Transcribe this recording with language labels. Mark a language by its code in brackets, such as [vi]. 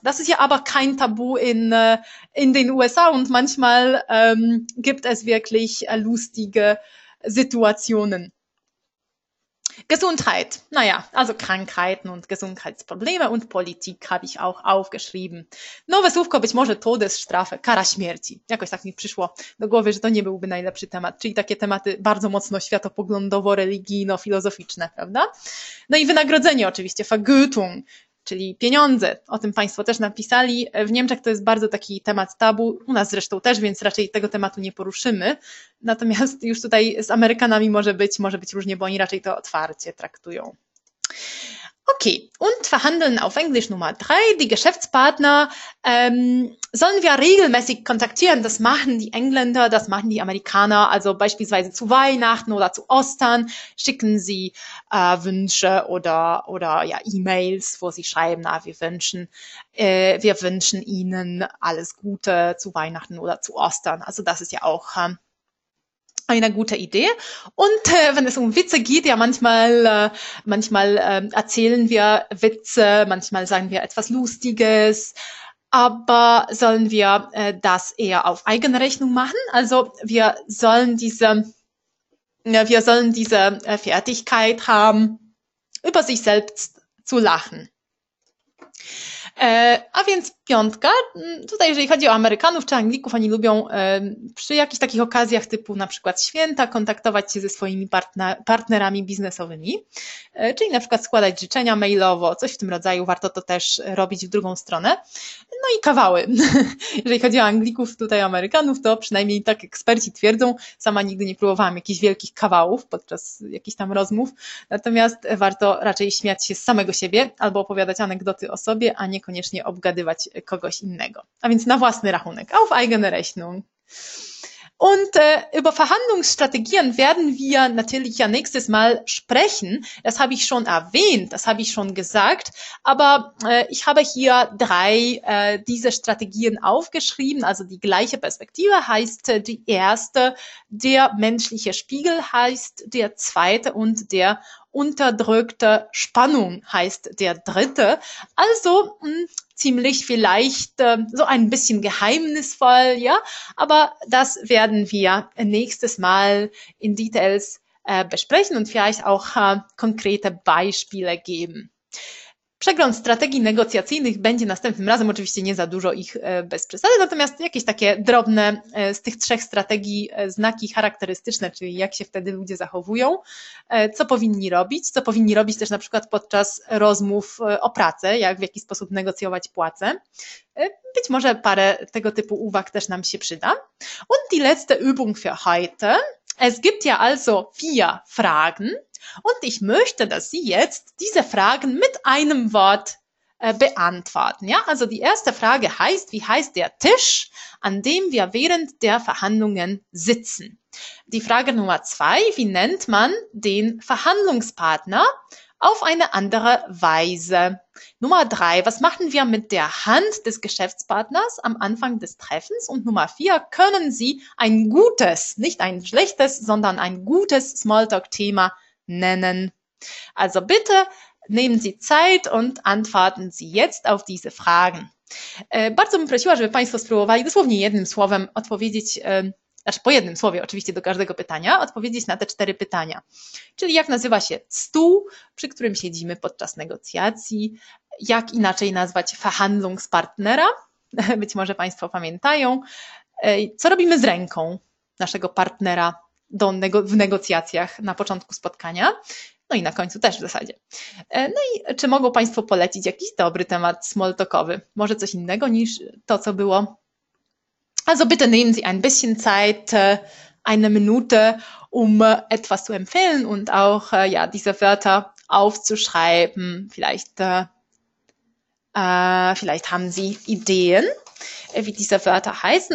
[de] Das ist ja aber kein Tabu in den USA und manchmal gibt es wirklich lustige Situationen. Gesundheit. Naja, also Krankheiten und Gesundheitsprobleme und Politik habe ich auch aufgeschrieben. [pl] Nowe słówko, być może Todesstrafe, kara śmierci. Jakoś tak mi przyszło do głowy, że to nie byłby najlepszy temat. Czyli takie tematy bardzo mocno światopoglądowo, religijno, filozoficzne, prawda? No i wynagrodzenie oczywiście, Vergütung. Czyli pieniądze, o tym Państwo też napisali. W Niemczech to jest bardzo taki temat tabu, u nas zresztą też, więc raczej tego tematu nie poruszymy. Natomiast już tutaj z Amerykanami może być różnie, bo oni raczej to otwarcie traktują. [de] Okay, und verhandeln auf Englisch Nummer 3. Die Geschäftspartner sollen wir regelmäßig kontaktieren. Das machen die Engländer, das machen die Amerikaner. Also beispielsweise zu Weihnachten oder zu Ostern schicken sie Wünsche oder ja E-Mails, wo sie schreiben, na, wir wünschen Ihnen alles Gute zu Weihnachten oder zu Ostern. Also das ist ja auch eine gute Idee. Und wenn es um Witze geht, ja, manchmal erzählen wir Witze, manchmal sagen wir etwas Lustiges, aber sollen wir das eher auf eigene Rechnung machen? Also wir sollen diese Fertigkeit haben, über sich selbst zu lachen. [pl] A więc piątka. Tutaj, jeżeli chodzi o Amerykanów czy Anglików, oni lubią przy jakichś takich okazjach, typu na przykład święta, kontaktować się ze swoimi partnerami biznesowymi, czyli na przykład składać życzenia mailowo, coś w tym rodzaju. Warto to też robić w drugą stronę. No i kawały. Jeżeli chodzi o Anglików, tutaj Amerykanów, to przynajmniej tak eksperci twierdzą. Sama nigdy nie próbowałam jakichś wielkich kawałów podczas jakichś tam rozmów. Natomiast warto raczej śmiać się z samego siebie albo opowiadać anegdoty o sobie, a niekoniecznie obgadywać kogoś innego. A więc na własny rachunek. [de] Auf eigene Rechnung. Und über Verhandlungsstrategien werden wir natürlich ja nächstes Mal sprechen. Das habe ich schon erwähnt, das habe ich schon gesagt. Aber ich habe hier drei dieser Strategien aufgeschrieben. Also die gleiche Perspektive heißt die erste, der menschliche Spiegel heißt der zweite und der unterdrückte Spannung heißt der dritte. Also ziemlich vielleicht so ein bisschen geheimnisvoll, ja, aber das werden wir nächstes Mal in Details besprechen und vielleicht auch konkrete Beispiele geben. [pl] Przegląd strategii negocjacyjnych będzie następnym razem, oczywiście nie za dużo ich bez przesady, natomiast jakieś takie drobne z tych trzech strategii znaki charakterystyczne, czyli jak się wtedy ludzie zachowują, co powinni robić też na przykład podczas rozmów o pracę, jak w jaki sposób negocjować płacę. Być może parę tego typu uwag też nam się przyda. [de] Und die letzte Übung für heute. Es gibt ja also vier Fragen. Und ich möchte, dass Sie jetzt diese Fragen mit einem Wort beantworten. Ja, also die erste Frage heißt, wie heißt der Tisch, an dem wir während der Verhandlungen sitzen? Die Frage Nummer zwei, wie nennt man den Verhandlungspartner auf eine andere Weise? Nummer drei, was machen wir mit der Hand des Geschäftspartners am Anfang des Treffens? Und Nummer vier, können Sie ein gutes, nicht ein schlechtes, sondern ein gutes Smalltalk-Thema nennen. Also bitte nehmen Sie Zeit und antworten Sie jetzt auf diese Fragen. [pl] Bardzo bym prosiła, żeby Państwo spróbowali dosłownie jednym słowem odpowiedzieć, aż po jednym słowie oczywiście do każdego pytania, odpowiedzieć na te cztery pytania. Czyli jak nazywa się stół, przy którym siedzimy podczas negocjacji? Jak inaczej nazwać verhandlungspartnera? Być może Państwo pamiętają. Co robimy z ręką naszego partnera? W negocjacjach na początku spotkania, no i na końcu też w zasadzie. No i czy mogą Państwo polecić jakiś dobry temat smalltalkowy? Może coś innego niż to, co było? [de] Also bitte nehmen Sie ein bisschen Zeit, eine Minute, etwas zu empfehlen und auch ja, diese Wörter aufzuschreiben. Vielleicht haben Sie Ideen, wie diese Wörter heißen.